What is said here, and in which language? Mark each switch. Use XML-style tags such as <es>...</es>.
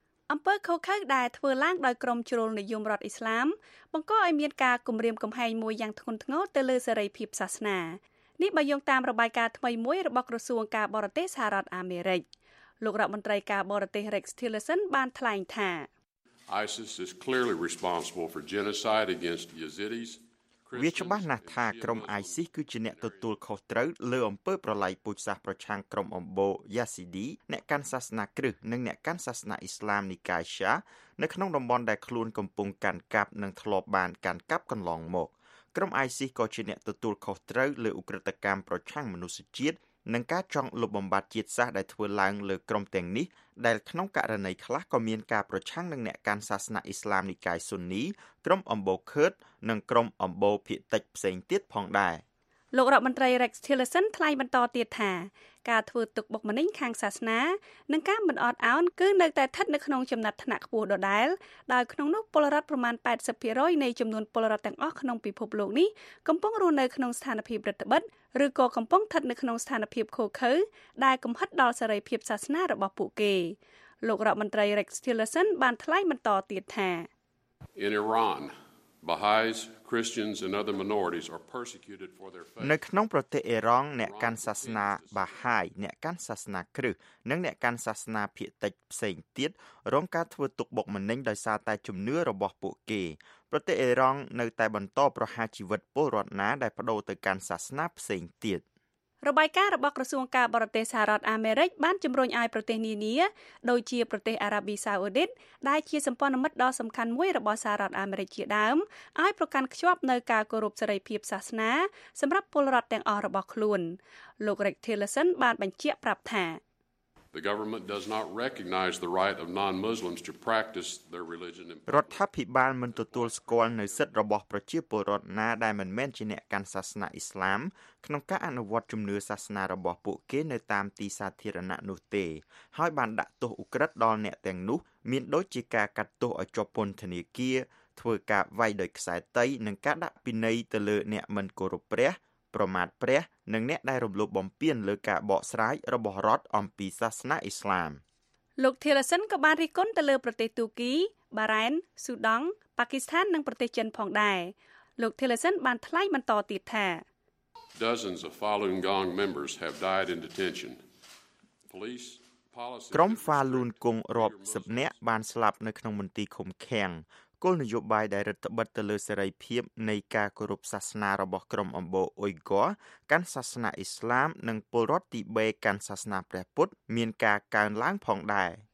<km>អំពើខុសខើដែលធ្វើឡើងដោយក្រុមជ្រុលនិយមរដ្ឋអ៊ីស្លាមបង្កឲ្យមានការគំរាមកំហែងមួយយ៉ាងធ្ងន់ធ្ងរទៅលើសេរីភាពសាសនានេះបើយោងតាមរបាយការណ៍ថ្មីមួយរបស់ក្រសួងការបរទេសសហរដ្ឋអាមេរិកលោករដ្ឋមន្ត្រីការបរទេស Rex Tillerson បានថ្លែងថា</km> <en>ISIS is clearly responsible for genocide against Yazidis.</en> <km>វាច្បាស់ណាស់ថាក្រុម ISIS គឺជាអ្នកទទួលខុសត្រូវលើអំពើប្រល័យពូជសាសន៍ប្រឆាំងក្រុមអំបូ Yazidi អ្នកកាន់សាសនាគ្រឹះនិងអ្នកកាន់សាសនាអ៊ីស្លាមនិកាយ Shia នៅក្នុងតំបន់ដែលខ្លួនកំពុងកាន់កាប់និងធ្លាប់បានកាន់កាប់កន្លងមកក្រុម ISIS ក៏ជាអ្នកទទួលខុសត្រូវលើឧក្រិដ្ឋកម្មប្រឆាំងមនុស្សជាតិនិងការចង់លុបបំបាត់ជាតិសាសន៍ដែលធ្វើឡើងលើក្រុមទាំងនេះដែលក្នុងករណីខ្លះក៏មានការប្រឆាំងនឹងអ្នកកាន់សាសនាអ៊ីស្លាមនិកាយស៊ុននីក្រុមអំបូខឺតនិងក្រុមអំបូភៀតិចផ្សេងទៀតផងដែរ លោករដ្ឋមន្ត្រី Rex Tillerson ថ្លែងបន្តទៀតថាការធ្វើទុកបុកម្នេញខាងសាសនានិងការមិនអត់ឱនគឺនៅតែស្ថិតនៅក្នុងចំណាត់ថ្នាក់ខ្ពស់ដដែលដោយក្នុងនោះពលរដ្ឋប្រមាណ 80% នៃចំនួនពលរដ្ឋទាំងអស់ក្នុងពិភពលោកនេះកំពុងរស់នៅក្នុងស្ថានភាពរឹតត្បិតឬក៏កំពុងស្ថិតនៅក្នុងស្ថានភាពខូខើដែលកំហិតដល់សេរីភាពសាសនារបស់ពួកគេលោករដ្ឋមន្ត្រី Rex Tillerson បានថ្លែងបន្តទៀតថា</km> <en>In Iran Baha'is Christians and other minorities are persecuted for their faith.</en> <km>នៅក្នុងប្រទេសអ៊ីរ៉ង់អ្នកកាន់សាសនាបាហាយអ្នកកាន់សាសនាគ្រឹះនិងអ្នកកាន់សាសនាភៀតិចផ្សេងទៀតរងការធ្វើទុកបុកម្នេញដោយសារតែជំនឿរបស់ពួកគេប្រទេសអ៊ីរ៉ង់នៅតែបន្តប្រហារជីវិតពលរដ្ឋណាដែលប្តូរទៅកាន់សាសនាផ្សេងទៀត របាយការណ៍របស់ក្រសួងការបរទេសសហរដ្ឋអាមេរិកបានជំរុញឲ្យប្រទេសនានាដូចជាប្រទេសអារ៉ាប៊ីសាអូឌីតដែលជាសម្ព័ន្ធមិត្តដ៏សំខាន់មួយរបស់សហរដ្ឋអាមេរិកជាដើមឲ្យប្រកាន់ខ្ជាប់នូវការគោរពសេរីភាពសាសនាសម្រាប់ពលរដ្ឋទាំងអស់របស់ខ្លួនលោក Rex Tillerson បានបញ្ជាក់ប្រាប់ថា</km> <en>The government does not recognize the right of non-Muslims to practice their religion.</en> <km>រដ្ឋាភិបាលមិនទទួលស្គាល់នូវសិទ្ធិរបស់ប្រជាពលរដ្ឋណាដែលមិនមែនជាអ្នកកាន់សាសនាអ៊ីស្លាមក្នុងការអនុវត្តជំនឿសាសនារបស់ពួកគេនៅតាមទីសាធារណៈនោះទេហើយបានដាក់ទោសឧក្រិដ្ឋដល់អ្នកទាំងនោះមានដូចជាការកាត់ទោសឲ្យជាប់ពន្ធនាគារធ្វើការវាយដោយខ្សែតីនិងការដាក់ពិន័យទៅលើអ្នកមិនគោរពព្រះប្រមាថព្រះនិងអ្នកដែលរំលោភបំពានលើការបកស្រាយរបស់រដ្ឋអំពីសាសនាអ៊ីស្លាម លោក Tillerson ក៏បានរិះគន់ទៅលើប្រទេសទូគីបារ៉ែនស៊ូដង់ប៉ាគីស្ថាននិងប្រទេសចិនផងដែរលោក Tillerson បានថ្លែងបន្តទៀតថា</km> <en>Dozens of Falun Gong members have died in detention. Police policy.</en> <km>ក្រុម Falun Gong រាប់សិបនាក់បានស្លាប់នៅក្នុងមន្ទីរឃុំឃាំងគោលនយោបាយដែលរដ្ឋបិទទៅលើសេរីភាពនៃការគោរពសាសនារបស់ក្រុមអំបូអ៊ុយហ្គ័រកាន់សាសនាអ៊ីស្លាមនិងពលរដ្ឋទីបេកាន់សាសនាព្រះពុទ្ធមានការកើនឡើងផងដែរ</km>